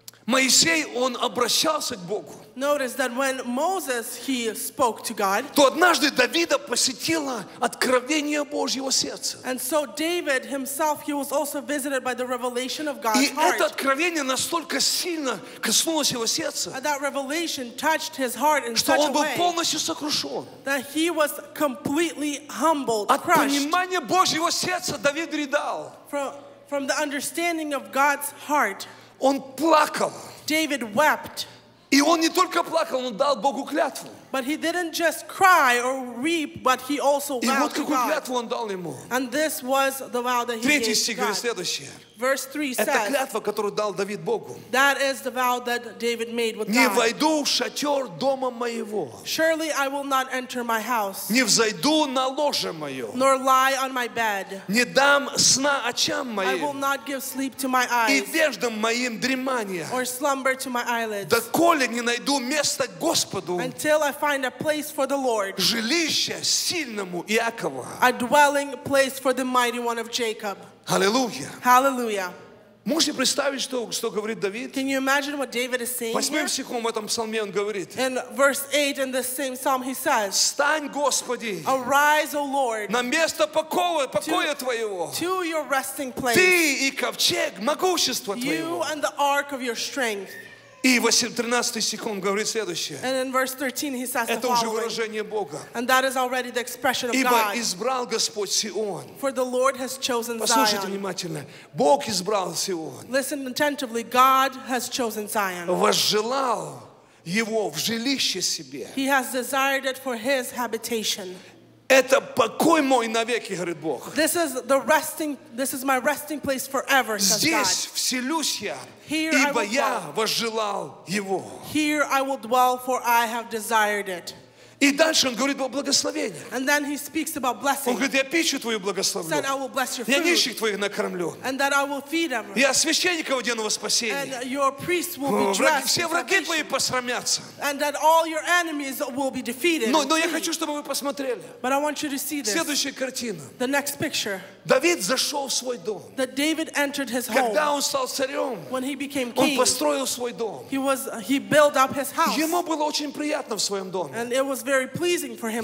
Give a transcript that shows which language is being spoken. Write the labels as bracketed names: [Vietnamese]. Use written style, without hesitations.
[Russian] Моисей, он обращался к Богу. [English] Notice that when Moses, he spoke to God, [Russian] то однажды Давида посетило откровение Божьего сердца. [English] And so David himself, he was also visited by the revelation of God's [Russian] и [English] heart. [Russian] И это откровение настолько сильно коснулось его сердца, [English] that revelation touched his heart in such a way, [Russian] что он был полностью сокрушен. [English] That he was completely humbled, [Russian] от [English] crushed. [Russian] От понимания Божьего сердца Давид рыдал. [English] From the understanding of God's heart, [Russian] он плакал. [English] David wept. [Russian] И он не только плакал, он дал Богу клятву. [English] But he didn't just cry or weep, but he also vowed. [Russian] И вот какую клятву он дал ему. [English] And this was the vow that he gave God. [Russian] Третий стих говорит следующее. [English] Verse 3 says. [Russian] Это клятва, которую дал Давид Богу. [English] That is the vow that David made with God. [Russian] Не войду в шатер дома моего. [English] Surely I will not enter my house. [Russian] Не взойду на ложе мое. [English] Nor lie on my bed. [Russian] Не дам сна очам моим. [English] I will not give sleep to my eyes. [Russian] И веждам моим дремания. [English] Or slumber to my eyelids. [Russian] Доколе не найду место Господу. [English] Until I find a place for the Lord. [Russian] Жилище сильному Иакова. [English] A dwelling place for the mighty one of Jacob. [Russian] Аллилуйя. [English] Hallelujah. [Russian] Можете представить, что говорит Давид? [English] Can you imagine what David is saying? [Russian] Восьмым стихом в этом псалме он говорит. [English] In verse 8 in the same psalm he says. [Russian] Встань, Господи. [English] Arise, O Lord. [Russian] На место покоя твоего. [English] To your resting place. [Russian] Ты и ковчег могущества твоего. [English] You and the ark of your strength. [Russian] И 13 стихом говорит следующее. [English] And in verse 13 he says. [Russian] Это уже выражение Бога. [English] And that is already the expression of God. [Russian] Ибо избрал Господь Сион. [English] For the Lord has chosen Zion. [Russian] Послушайте внимательно. Бог избрал Сион. [English] Listen attentively. God has chosen Zion. [Russian] Возжелал его в жилище себе. [English] He has desired it for his habitation. [Russian] Это покой мой навеки, говорит Бог. [English] This is the resting. This is my resting place forever, says God. [Russian] Здесь вселюсь я. Ибо я возжелал его. [English] Here I will dwell, for I have desired it. [Russian] И дальше он говорит о благословении. [English] And then he speaks about blessing. [Russian] Он говорит, я пищу твою благословлю. [English] Said, I will bless your food. [Russian] Я нищих твоих накормлю. [English] And that I will feed them. [Russian] Я священников одену во спасение. [English] And your priests will be dressed. [Russian] Все враги твои посрамятся. [English] And that all your enemies will be defeated. [Russian] Но я хочу, чтобы вы посмотрели. [English] But I want you to see this. [Russian] Следующая картина. [English] The next picture. [Russian] Давид зашел в свой дом. [English] That David entered his home. [Russian] Когда он стал царем, [English] when he became king, [Russian] он построил свой дом. [English] He built up his house. [Russian] Ему было очень приятно в своем доме. [English] And it was very pleasing for him